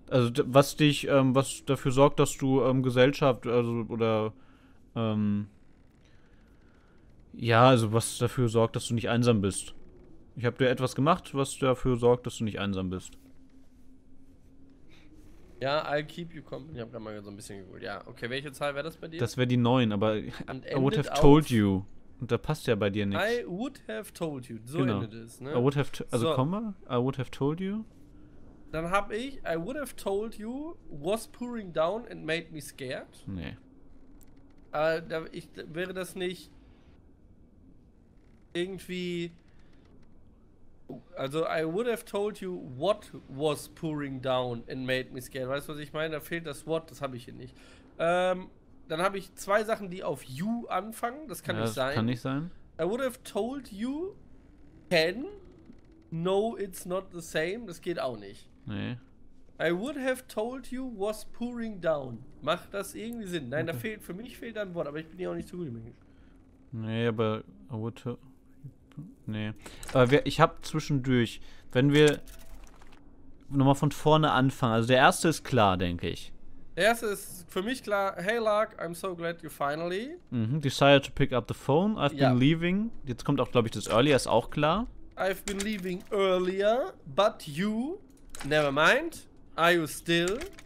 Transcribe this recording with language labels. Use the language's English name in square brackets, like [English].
[German] Also was dich, was dafür sorgt, dass du Gesellschaft, also oder ja, also was dafür sorgt, dass du nicht einsam bist. Ich habe dir etwas gemacht, was dafür sorgt, dass du nicht einsam bist. [English] Ja, I'll keep you company. [German] Ich habe gerade mal so ein bisschen geholt. Ja, okay, welche Zahl wäre das bei dir? Das wäre die 9, aber [English] I would have told you. [German] Und da passt ja bei dir nichts. [English] I would have told you. [German] So genau. Endet es, ne? [English] I would have also so. Komma, I would have told you. [German] Dann hab ich, [English] I would have told you was pouring down and made me scared. [German] Nee. Wäre das nicht irgendwie, also [English] I would have told you what was pouring down and made me scared. [German] Weißt du, was ich meine? Da fehlt das Wort, das habe ich hier nicht. Dann habe ich 2 Sachen, die auf you anfangen. Das kann ja, nicht sein. Das kann nicht sein. [English] I would have told you can. No, it's not the same. [German] Das geht auch nicht. Nee. [English] I would have told you was pouring down. [German] Macht das irgendwie Sinn? Nein, okay. Da fehlt, für mich fehlt ein Wort, aber ich bin ja auch nicht so gut im Englisch. Nee, aber [English] I would have. [German] Nee. Aber wir, ich habe zwischendurch, wenn wir nochmal von vorne anfangen. Also der erste ist klar, denke ich. Erste ist für mich klar, [English] hey Lark, I'm so glad you finally decided to pick up the phone. I've been leaving. [German] Jetzt kommt auch, glaube ich, das earlier, ist auch klar. [English] I've been leaving earlier, but you, never mind, are you still?